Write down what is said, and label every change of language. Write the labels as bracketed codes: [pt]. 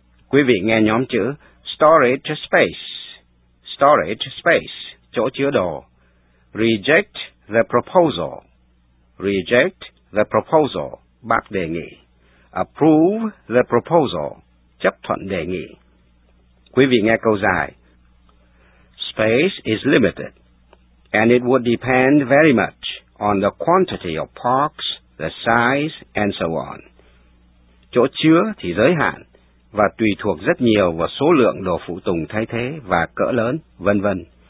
[vi] Quý vị nghe nhóm chữ [en] storage space. Storage space, [vi] chỗ chứa đồ. [en] Reject the proposal. Reject the proposal, [vi] bác đề nghị. [en] Approve the proposal, [vi] chấp thuận đề nghị. Quý vị nghe câu dài. [en] Space is limited, and it would depend very much on the quantity of parts, the size, and so on. [vi] Chỗ chứa thì giới hạn, và tùy thuộc rất nhiều vào số lượng đồ phụ tùng thay thế và cỡ lớn, vân vân.